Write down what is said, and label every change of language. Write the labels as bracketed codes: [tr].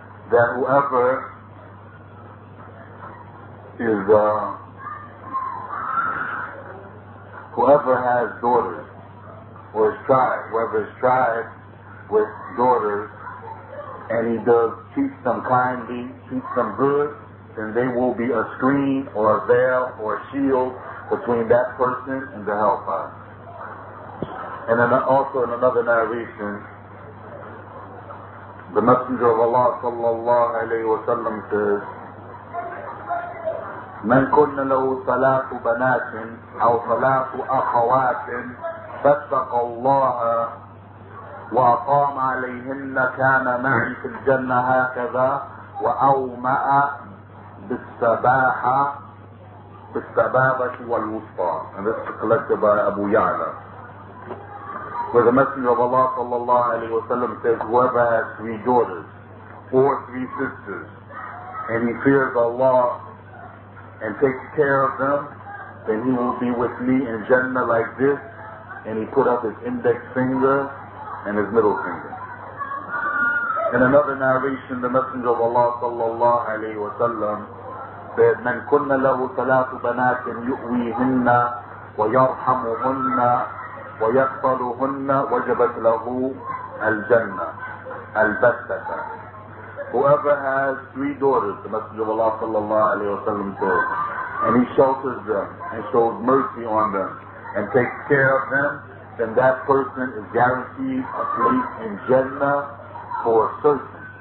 [en] That whoever is, whoever has daughters, or is tried, whoever is tried with daughters, and he does treat them kindly, treat them good, then they will be a screen, or a veil, or a shield, between that person and the hellfire. And then also in another narration, the Messenger of Allah sallallahu alayhi wa sallam says, [ar] مَنْ كُنَّ لَهُ ثَلَاثُ بَنَاتٍ أَوْ ثَلَاثُ أَخَوَاتٍ فَاتَّقَ اللَّهَ وَأَقَامَ عَلَيْهِنَّ كَانَ مَعِي فِي الْجَنَّةِ هَكَذَا وَأَوْمَأَ بِالسَّبَاحَةِ بِالسَّبَابَةِ وَالْوُسْطَى. [en] And this is collected by Abu Ya'la, where the Messenger of Allah sallallahu alayhi wa sallam says, whoever has three daughters or three sisters and he fears Allah and takes care of them, then he will be with me in Jannah like this. And he put up his index finger and his middle finger. In another narration, the Messenger of Allah sallallahu alayhi wa sallam [ar] من كن له ثلاث بنات يؤويهن ويرحمهن ويقتلهن وجبت له الجنة البتة. [en] Whoever has three daughters, the Messenger of Allah sallallahu alayhi wa sallam said, and he shelters them and shows mercy on them and takes care of them, then that person is guaranteed a place in Jannah for certain.